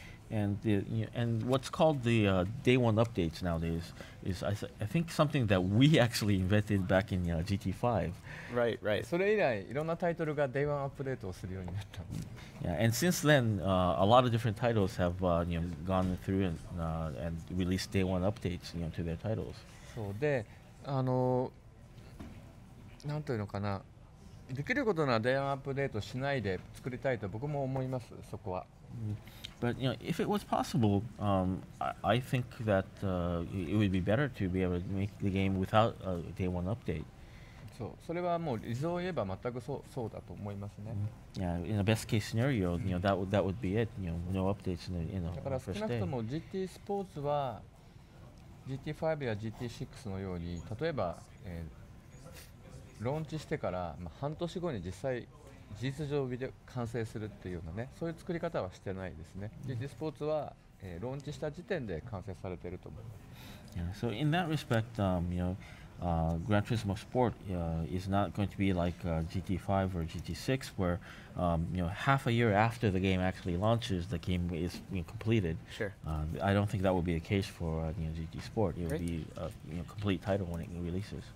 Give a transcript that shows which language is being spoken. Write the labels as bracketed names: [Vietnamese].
[English] And what's called the day one updates nowadays is I think something that we actually invented back in GT5. Right, right. [Japanese] それ以来いろんなタイトルが day one アップデートをするようになった。 [English] Yeah, and since then, a lot of different titles have you know, gone through and released day one updates, you know, to their titles. [Japanese] そうで、なんというのかな。できることなら電話アップデートしないで作りたいと僕も思います、そこは。 [English] But you know, if it was possible, I think that it would be better to be able to make the game without a day one update. [Japanese] そう、それはもう理想を言えば全くそうだと思いますね。 [English] Yeah, in the best case scenario, you know, that would be it. You know, no updates in the first day. [Japanese] だから少なくとも GT スポーツは GT5 や GT6 のように、例えば、ローンチしてから、まあ、半年後に実際事実上ビデオ完成するっていうようなね、そういう作り方はしてないですね。 GT スポーツは、ローンチした時点で完成されていると思います。 [English] Yeah, so in that respect, you know, Gran Turismo Sport is not going to be like GT5 or GT6, where you know, half a year after the game actually launches, the game is, you know, completed. Sure. I don't think that would be the case for you know, GT Sport. It would be a, you know, complete title when it releases.